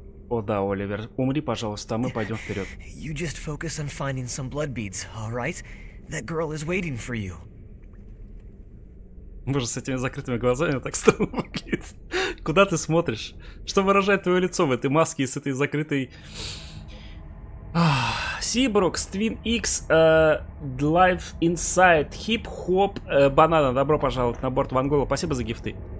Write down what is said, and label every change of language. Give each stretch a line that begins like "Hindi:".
Russian: О да, Оливер, умри, пожалуйста, а мы пойдем вперед.
English: You just focus on finding some blood beads, all right? That girl is waiting for you.
Russian: Боже, с этими закрытыми глазами так странно выглядит. Куда ты смотришь? Что выражает твое лицо в этой маске и с этой закрытой... Сибрук, Twin X, Life Inside, Hip Hop, Banana, добро пожаловать на борт Вангола. Спасибо за гифты.